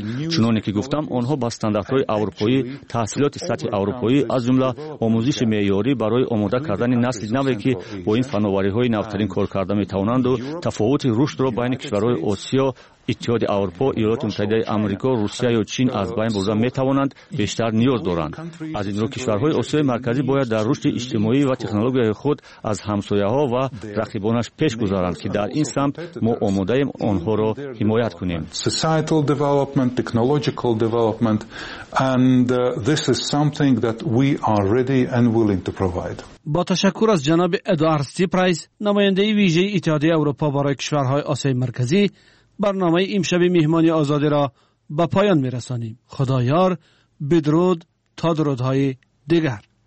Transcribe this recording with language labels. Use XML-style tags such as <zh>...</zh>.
<fa>چنانی که گفتم آنها با استانداردهای اروپایی، تحصیلات سطح اروپایی از جمله آموزش معیاری برای آماده کردن نسل نوی که با این فناوری‌های نوترین کار کرده میتوانند و تفاوت رشد را بین کشورهای آسیا، اتحاد اروپا، ایالات متحده آمریکا، روسیه یا چین از بین برده میتوانند بیشتر نیاز دارند. از این رو کشورهای آسیای مرکزی باید در رشد اجتماعی و تکنولوژی خود از همسایه‌ها و رقیبانش پیش گذارند که در این سمت ما آماده ایم آنها را حمایت کنیم.</fa> <en>Societal development, technological development, and this is something that we are ready and willing to provide.</en> <fa>با تشکر از جناب ادوارد سیپرایس، نماینده ویژه اتحاد اروپا برای کشورهای آسیای مرکزی، برنامه امشب میهمانی آزادی را به پایان می رسانیم. خدایار، بدرود تا درودهای دیگر.</fa>